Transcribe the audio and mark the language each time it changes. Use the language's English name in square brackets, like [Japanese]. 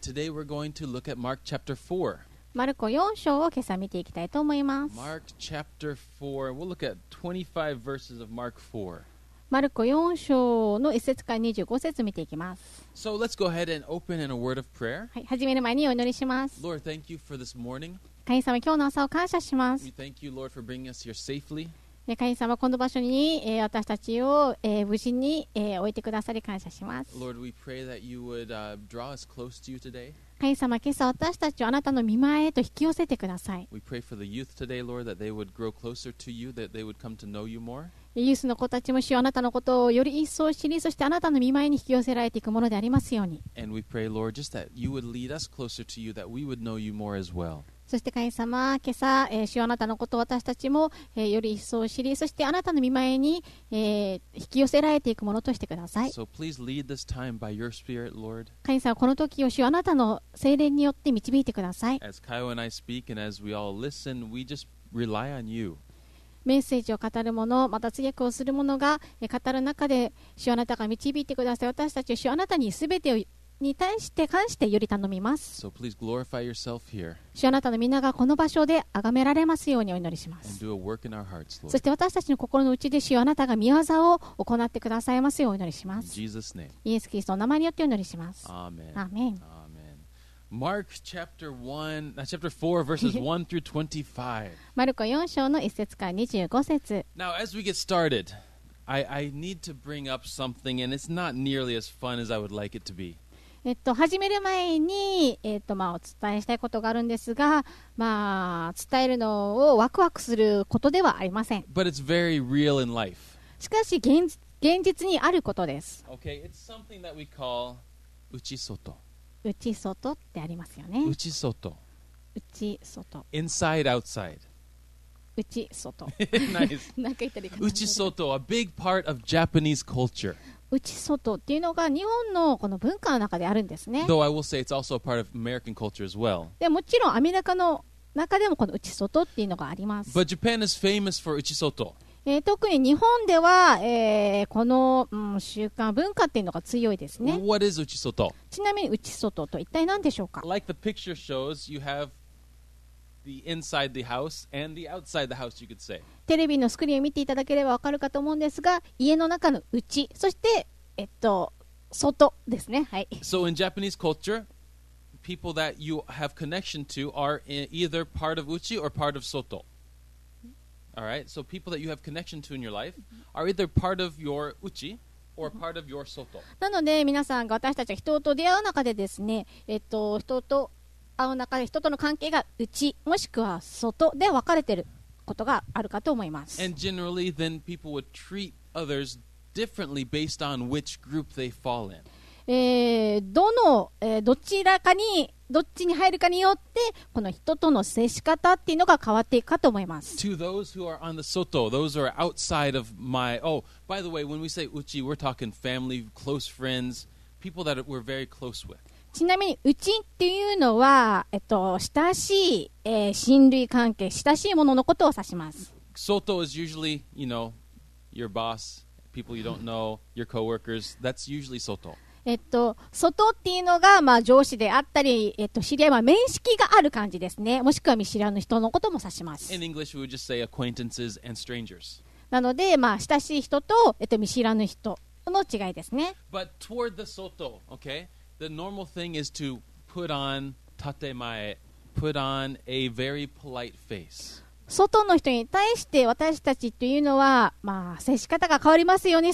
[English] Today we're going to look at Mark chapter 4. [Japanese] マルコ4章を今朝見ていきたいと思います。 [English] Mark chapter 4. We'll look at 25 verses of Mark 4. [Japanese] マルコ4章の1節から25節見ていきます。 [English] So let's go ahead and open in a word of prayer. [Japanese] はい、始める前にお祈りします。 [English] Lord, thank you for this morning. [Japanese] 神様、今日の朝を感謝します。 [English] We thank you, Lord, for bringing us here safely. [Japanese] 神様、この場所に私たちを無事に置いてくださり感謝します。 [English] Lord, we pray that you would draw us close to you today. [Japanese] 神様、今朝私たちをあなたの御前へと引き寄せてください。 [English] We pray for the youth today, Lord, that they would grow closer to you, that they would come to know you more. [Japanese] ユースの子たちも主よ、あなたのことをより一層知り、そしてあなたの御前に引き寄せられていくものでありますように。 [English] And we pray, Lord, just that you would lead us closer to you, that we would know you more as well. [Japanese] そして神様、今朝、主よ、あなたのことを私たちも、より一層知り、そしてあなたの御前に、引き寄せられていくものとしてください。 [English] So、please lead this time by your spirit, Lord. [Japanese] 神様、この時を主よ、あなたの聖霊によって導いてください。 [English] As Kyle and I speak and as we all listen, we just rely on you. [Japanese] メッセージを語る者、また通訳をする者が語る中で、主あなたが導いてください。私たちは主あなたにすべてに対して関してより頼みます。 [English] So、please glorify yourself here. [Japanese] 主あなたの皆がこの場所で崇められますようにお祈りします。 [English] And do a work in our hearts, Lord. [Japanese] そして私たちの心の内で主あなたが御業を行ってくださいますようにお祈りします。 [English] In Jesus name. [Japanese] イエス・キリストの名前によってお祈りします。 [English] Amen. Amen. Amen. Mark chapter 1, chapter 4, verses 1 through 25. [Japanese] マルコ4章の1節から25節。 [English] Now, as we get started, I need to bring up something, and it's not nearly as fun as I would like it to be. [Japanese] 始める前に、お伝えしたいことがあるんですが、伝えるのをワクワクすることではありません。 [English] But it's very real in life. [Japanese] しかし現実にあることです。 [English] Okay, it's something that we call 内外。 [Japanese] 内外ってありますよね。内外。内外。 [English] Inside, outside. [Japanese] 内外。 [English] Nice. [Japanese] なんか言ったらいいかな。 [English] 内外, a big part of Japanese culture. [Japanese] 内外っていうのが日本のこの文化の中であるんですね。 [English] Though I will say it's also a part of American culture as well. [Japanese] でもちろんアメリカの中でもこの内外っていうのがあります。 [English] But Japan is famous for 内外。 [Japanese] 特に日本では、この、習慣文化っていうのが強いですね。 [English] What is 内外？ [Japanese] ちなみに内外と一体何でしょうか [English] ？Like the picture shows, you have the inside the house and the outside the house. You could say. [Japanese] テレビのスクリーンを見ていただければわかるかと思うんですが、家の中の内、そして、外ですね。はい。 [English] So in Japanese culture, people that you have connection to are either part of 内 or part of 外. All right. So people that you have connection to in your life are either part of your 内 or part of your 外. [Japanese] なので皆さんが私たちが人と出会う中でですね、人と会う中で人との関係が内もしくは外で分かれている。ことがあるかと思います。 [English] And generally, then people would treat others differently based on which group they fall in. [Japanese] どちらかにどっちに入るかによってこの人との接し方っていうのが変わっていくかと思います。 [English] To those who are on the soto, those who are outside of my. Oh, by the way, when we say uchi, we're talking family, close friends, people that we're very close with. [Japanese] ちなみにうちっていうのは、親しい、親類関係、親しいもののことを指します。 [English] 外 is usually, you know, your boss, people you don't know, your coworkers. That's usually 外。 [Japanese] 外っていうのが、上司であったり、知り合いは面識がある感じですね。もしくは見知らぬ人のことも指します。 [English] In English, we would just say acquaintances and strangers. [Japanese] なので、親しい人と、見知らぬ人の違いですね。 [English] But toward the 外, okay? The normal thing is to put on tatemae, put on a very polite face. [Japanese] 外の人に対して私たちというのは、接し方が変わりますよね。